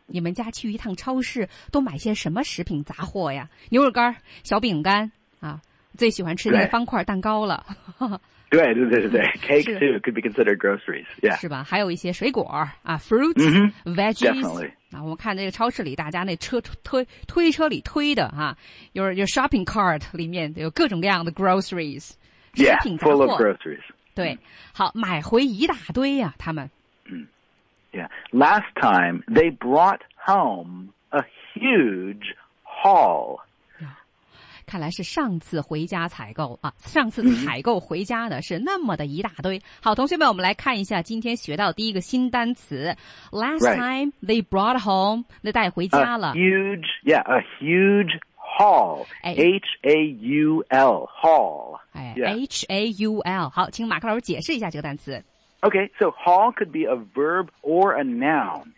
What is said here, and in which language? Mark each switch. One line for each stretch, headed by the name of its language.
Chinese: 你们家去一趟超市都买些什么食品杂货呀？牛肉干、小饼干啊，最喜欢吃那个方块蛋糕了。对对对对
English: ，cake too could be considered groceries， yeah，
Chinese: 是吧？还有一些水果啊 ，fruit、 mm-hmm.
English: veggies。 Definitely.
Chinese: 啊，我们看这个超市里，大家那车推车里推的哈、啊，有 shopping cart 里面有各种各样的 groceries， yeah, 食品杂货
English: ，full of groceries。
Chinese: 对，好，买回一大堆呀、啊，他们。
English: Yeah, last time they brought home a huge haul.、
Chinese: 看来是上次回家采购啊，上次采购回家的是那么的一大堆。好，同学们，我们来看一下今天学到第一个新单词。
English: Last time they brought home,
Chinese: 那带回家了。
English: A huge, yeah, a huge Hall, H-A-U-L, Hall. Yeah. H-A-U-L.
Chinese: 好，请马克老师解释一下这个单词。
English: Okay, so hall could be a verb or a noun.